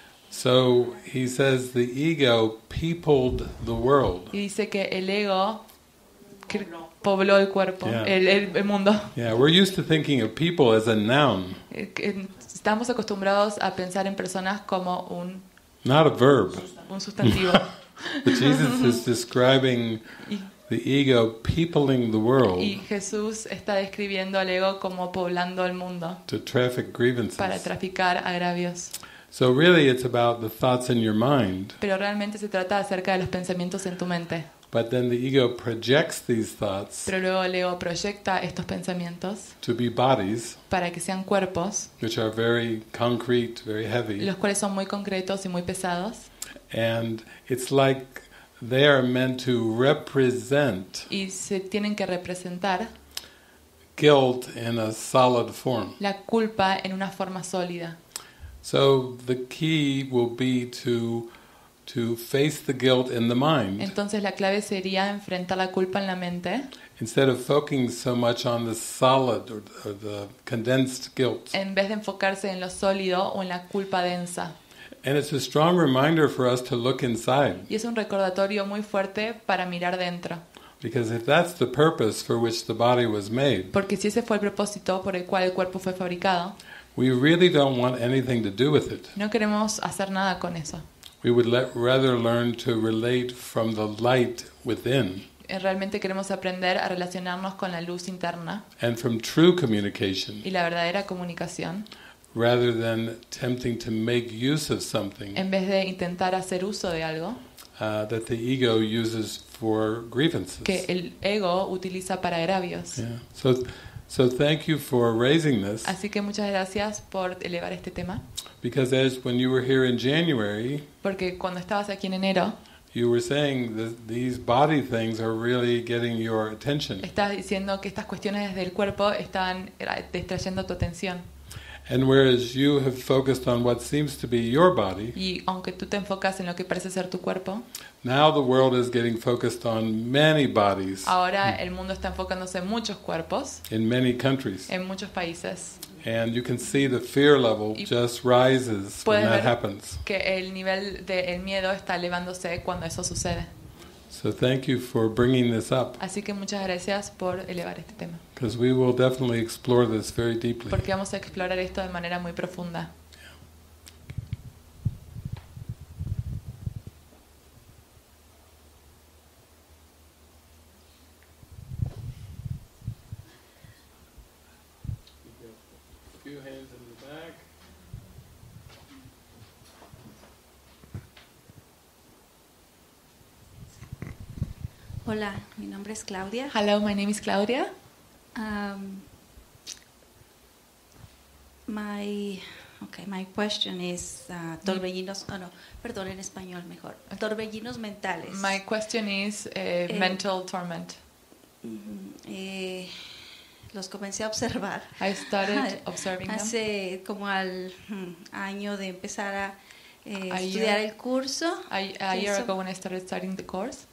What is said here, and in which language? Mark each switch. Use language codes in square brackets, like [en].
[en] So he says the ego peopled the world. [es] Y dice que el ego pobló el cuerpo, el mundo. [en] Yeah, we're used to thinking of people as a noun. [es] Estamos acostumbrados a pensar en personas como un [en] not a verb. [es] Un sustantivo. [en] But Jesus is describing the ego peopling the world. [es] Y Jesús está describiendo al ego como poblando el mundo. [en] To traffic grievances. [es] Para traficar agravios. [en] So really it's about the thoughts in your mind. [es] Pero realmente se trata acerca de los pensamientos en tu mente. [en] But then the ego projects these thoughts. [es] Pero luego el ego proyecta estos pensamientos. [en] To be bodies. [es] Para que sean cuerpos. [en] Which are very concrete, very heavy. [es] Los cuales son muy concretos y muy pesados. [en] And it's like they are meant to represent. [es] Y se tienen que representar. [en] Guilt in a solid form. [es] La culpa en una forma sólida. [en] So the key will be to face the guilt in the mind. [es] Entonces la clave sería enfrentar la culpa en la mente. [en] Instead of focusing so much on the solid or the condensed guilt. [es] En vez de enfocarse en lo sólido o en la culpa densa. [en] And it's a strong reminder for us to look inside. [es] Y es un recordatorio muy fuerte para mirar dentro. [en] Because if that's the purpose for which the body was made. [es] Porque si ese fue el propósito por el cual el cuerpo fue fabricado. [en] We really don't want anything to do with it. [es] No queremos hacer nada con eso. [en] We would rather learn to relate from the light within. [es] Realmente queremos aprender a relacionarnos con la luz interna. [en] And from true communication. [es] Y la verdadera comunicación. [en] Rather than attempting to make use of something. [es] En vez de intentar hacer uso de algo. [en] That the ego uses for grievances. [es] Que el ego utiliza para agravios. [en] Yeah. So thank you for raising this. [es] Así que muchas gracias por elevar este tema. [en] Because as when you were here in January, [es] porque cuando estabas aquí en enero, [en] you were saying that these body things are really getting your attention. [es] Estás diciendo que estas cuestiones del cuerpo están distrayendo tu atención. [en] And whereas you have focused on what seems to be your body, [es] y aunque tú te enfocas en lo que parece ser tu cuerpo, [en] now the world is getting focused on many bodies. [es] Ahora el mundo está enfocándose en muchos cuerpos. [en] In many countries. [es] En muchos países. [en] And you can see the fear level just rises when that happens. [es] Que el nivel del miedo está elevándose cuando eso sucede. [en] So thank you for bringing this up. [es] Así que muchas gracias por elevar este tema. [en] Because we will definitely explore this very deeply. [es] Porque vamos a explorar esto de manera muy profunda. Hola, mi nombre es Claudia. [en] Hello, my name is Claudia. My question is torbellinos. [es] Oh no, perdón, en español mejor. Torbellinos mentales. [en] My question is mental torment. [es] Los comencé a observar. [en] I started observing [es] hace [en] them. [es] Hace como al año de empezar a estudiar el curso. [en] A year ago when I started studying the course.